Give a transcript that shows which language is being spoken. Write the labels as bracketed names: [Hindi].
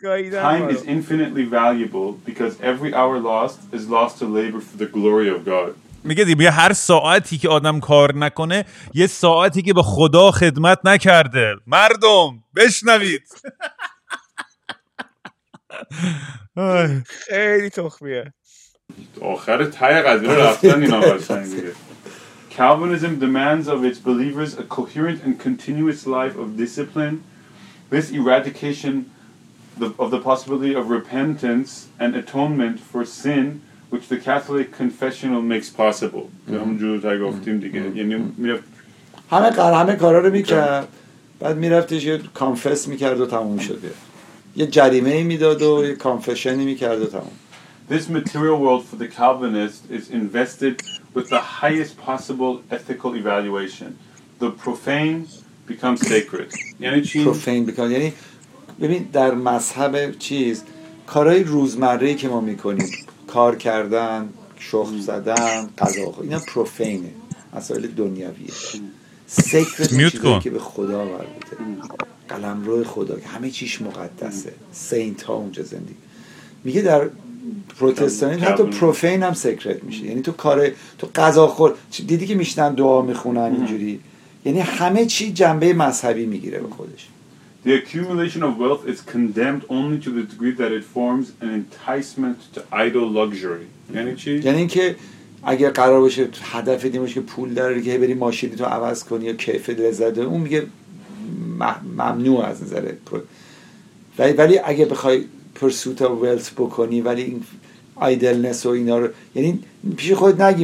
[English] Time is infinitely valuable because every hour lost is lost to labor for the glory of God. [Persian] میگه دیگه هر ساعتی که آدم کار نکنه یه ساعتی که به خدا خدمت نکرده. مردم بشنوید. خیلی تخمیه. آخر تای قضیه رفتن اینا باشن. [English] Calvinism demands of its believers a coherent and continuous life of discipline. This eradication of the possibility of repentance and atonement for sin which the Catholic confessional makes possible. [Persian] همونجور تا گفتیم دیگه، یعنی همه کارا رو میکرد، بعد میرفتش یه کانفس میکرد و تموم شده، یه جریمه میداد و یه کانفشنی میکرد و تموم. [English] This material world for the Calvinist is invested with the highest possible ethical evaluation. The profane becomes sacred. [Persian] یعنی چی؟ [English] Profane becomes، [Persian] یعنی ببین در مذهب چیز کارهای روزمره‌ای که ما میکنیم، کار کردن، شخم زدن، قضا خود، اینا پروفینه، مسائل دنیاویه. سیکرد چیزی که به خدا مربوطه، قلمرو خدا، همه چیش مقدسه، سینت ها اونجا زندگی. میگه در پروتستانی حتی پروفین هم سیکرد میشه، یعنی تو کار تو قضا خود دیدی که میشنن دعا میخونن اینجوری، یعنی همه چی جنبه مذهبی میگیره به خودش. [English] The accumulation of wealth is condemned only to the degree that it forms an enticement to idle luxury. [Persian] یعنی چی؟ یعنی اینکه اگه قرار باشه هدف دیگه باشه که پول داری که بری ماشینی تو عوض کنی یا کیف لذت، اون میگه ممنوع از نظر پول. ولی اگه بخوای [English] pursuit of wealth [Persian] بکنی، ولی این idleness و اینا رو، یعنی پیش خود نگی.